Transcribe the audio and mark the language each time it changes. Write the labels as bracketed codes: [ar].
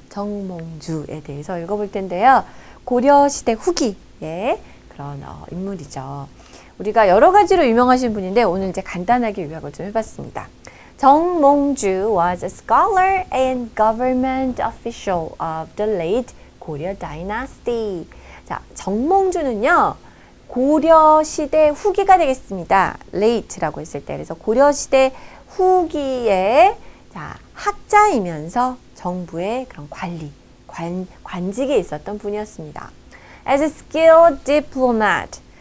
[ko] 정몽주에 대해서 읽어볼 텐데요. 고려시대 후기의 그런 인물이죠. 우리가 여러 가지로 유명하신 분인데 오늘 이제 간단하게 요약을 좀 해봤습니다. [en] 정몽주 was a scholar and government official of the late 고려 dynasty. [ko] 자, 정몽주는요. 고려시대 후기가 되겠습니다. late라고 했을 때 그래서 고려시대 후기의 자, 학자이면서 정부의 그런 관리, 관직에 있었던 분이었습니다. [en] As a skilled diplomat.